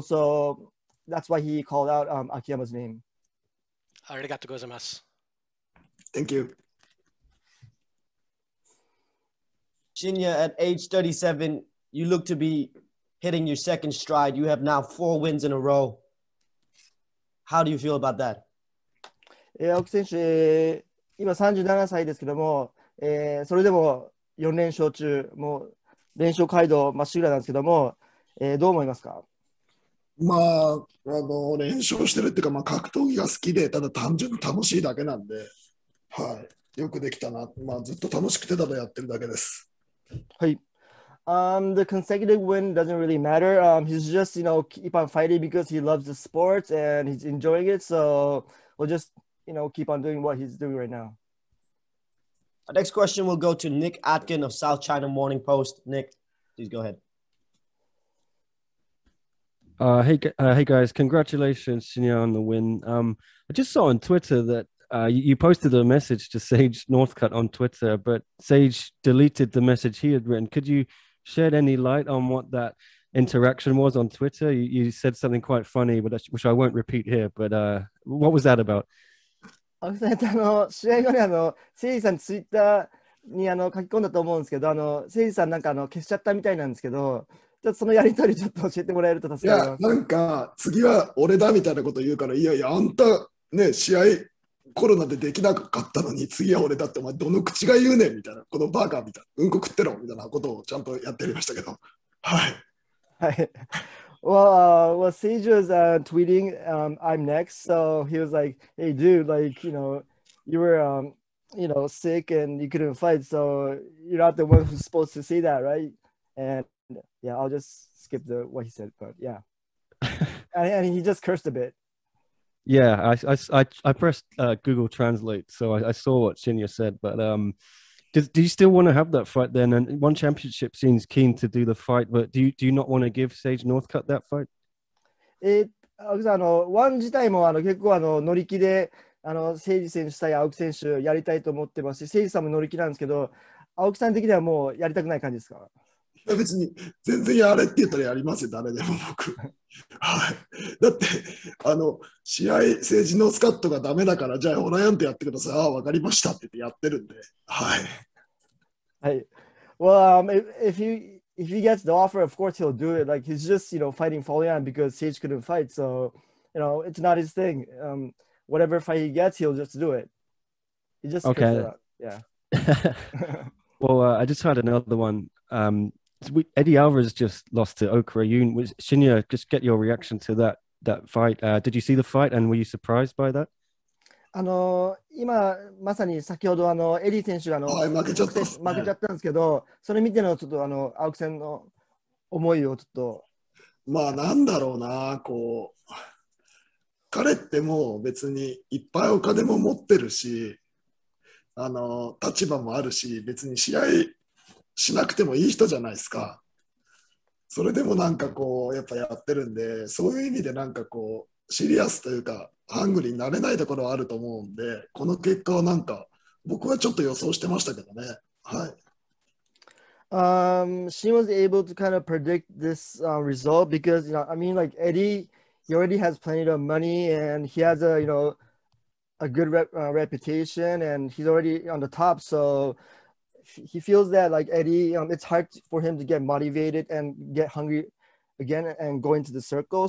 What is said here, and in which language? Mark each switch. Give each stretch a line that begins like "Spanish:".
English: So that's why he called out Akiyama's name.
Japanese: Arigato gozaimasu.
English: Thank you. Shinya, at age 37, you look to be hitting your second stride. You have now 4 wins in a row. How do you feel about that?
Japanese: Aoki 選手今37歳ですけども、それでも4連勝中、もう連勝街道まっしぐらなんですけども、どう思いますか？まあ、連勝してるっていうか、まあ、格闘技が好きで、ただ単純に楽しいだけなんで、はい、よくできたな、まあ、ずっと楽しくてただやってるだけです。
English: はい。The consecutive win doesn't really matter. He's just, you know, keep on fighting because he loves the sport and he's enjoying it, so we'll just... You know, keep on doing what he's doing right now. Our next question will go to Nick Atkin of South China Morning Post. Nick, please go ahead. Hey guys, congratulations, Shinya, on the win. I just saw on Twitter that you posted a message to Sage Northcutt on Twitter, but Sage deleted the message he had written. Could you shed any light on what that interaction was on Twitter? You said something quite funny, which I won't repeat here, but what was that about?
Japanese: 試合後に、セイジさんツイッターにあの書き込んだと思うんですけど、あのせいじさんなんかあの消しちゃったみたいなんですけど、ちょっとそのやり取りちょっと教えてもらえると助かります。いや、なんか次は俺だみたいなこと言うから、いやいや、あんたね、試合コロナでできなかったのに次は俺だって、お前どの口が言うねんみたいな、このバーガーみたいな、うんこ食ってろみたいなことをちゃんとやってやりましたけど、はい。はい。
English: Well, Sage was tweeting, I'm next, so he was like, hey dude, like, you know, you were, you know, sick and you couldn't fight, so you're not the one who's supposed to say that, right? And yeah, I'll just skip the what he said, but yeah. And he just cursed a bit. Yeah, I pressed Google Translate, so I saw what Shinya said, but do you still want to have that fight then? And One Championship seems keen to do the fight, but do you not want to give Sage Northcutt that fight?
Japanese: One 自体も結構乗り気で、セイジ選手対青木選手やりたいと思ってますし、セイジさんも乗り気なんですけど、青木さん的にはもうやりたくない感じですか？いや別に全然やれって言ったらやりますよ、誰でも僕。はい、だって、試合、政治のスカットがダメだから、じゃあ、ホラヤンとやってください。ああ、分かりましたって言ってやってるんで。はい。
English: はい。Well, if he gets the offer, of course he'll do it. Like, he's just, you know, fighting Folayang because Sage couldn't fight. So, you know, it's not his thing. Whatever fight he gets, he'll just do it. He just okay. Cuts it out. Yeah. Well, I just had another one. Eddie Alvarez just lost to Okra Yoon. Shinya, just get your reaction to that fight. Did you see the fight and were you surprised by that?
Japanese: 今まさに先ほどエディ選手が負けちゃったんですけど、それ見てのちょっと青木さんの思いをちょっと。まあなんだろうな、こう彼ってもう別にいっぱいお金も持ってるし、立場もあるし、別に試合しなくてもいい人じゃないですか。それでもなんかこうやっぱやってるんで、そういう意味でなんかこうシリアスというかハングリーになれないところはあると思うんで、この結果はなんか僕はちょっと予想してましたけどね。はい。
English: She was able to kind of predict this result because, you know, I mean, like Eddie, he already has plenty of money and he has a good reputation and he's already on the top, so. He feels that like Eddie, it's hard for him to get motivated and get hungry again and go into the circle.